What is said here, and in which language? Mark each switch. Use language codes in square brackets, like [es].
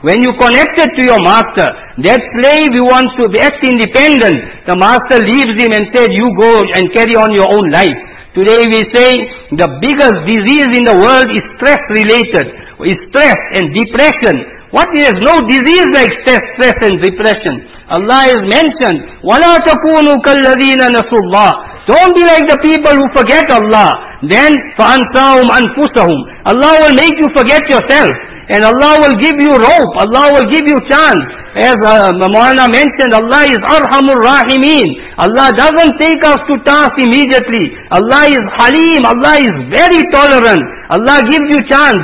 [en] When you connected to your master. That slave who wants to act independent, the master leaves him and said, "You go and carry on your own life." Today we say the biggest disease in the world is stress related. Is stress and depression. What is no disease like stress and depression? Allah has mentioned, [ar] وَلَا تَكُونُوا كَالَّذِينَ نَسُوا اللَّهِ. [en] Don't be like the people who forget Allah. Then, [ar] فَأَنْسَاهُمْ أَنْفُسَهُمْ. [en] Allah will make you forget yourself. And Allah will give you rope. Allah will give you chance. As Maulana mentioned, Allah is Arhamur Rahimeen. Allah doesn't take us to task immediately. Allah is Haleem. Allah is very tolerant. Allah gives you chance.